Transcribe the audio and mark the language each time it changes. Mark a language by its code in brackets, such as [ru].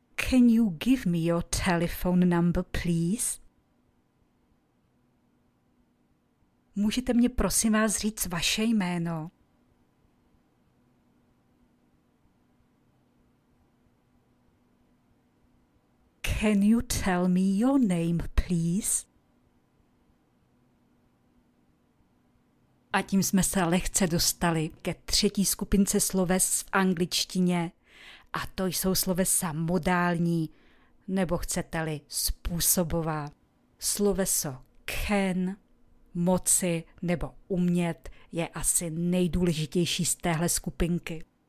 [en] Can you give me your telephone number, please? [cs] Můžete mě prosím vás říct vaše jméno? [en] Can you tell me your name, please? [cs] A tím jsme se lehce dostali ke třetí skupince sloves v angličtině, a to jsou slovesa modální, nebo chcete-li způsobová. Sloveso can, moci nebo umět je asi nejdůležitější z téhle skupinky.